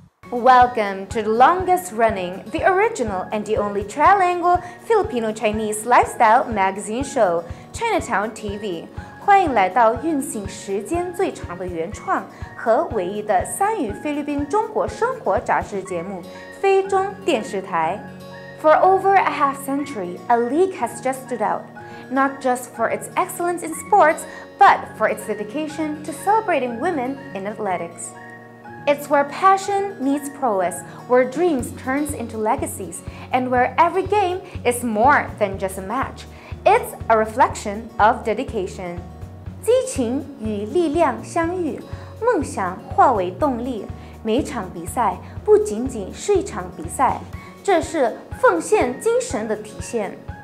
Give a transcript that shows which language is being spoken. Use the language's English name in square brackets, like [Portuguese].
[English] Welcome to the longest running, the original and the only trilingual Filipino Chinese lifestyle magazine show, Chinatown TV. [Chinese] 欢迎来到运行时间最长的原创和唯一的三语菲律宾中国生活杂志节目非中电视台。 [English] For over a half century, a league has just stood out, not just for its excellence in sports, but for its dedication to celebrating women in athletics. It's where passion meets prowess, where dreams turns into legacies, and where every game is more than just a match. It's a reflection of dedication. [Chinese] 激情与力量相遇，梦想化为动力。每场比赛不仅仅是一场比赛，这是奉献精神的体现。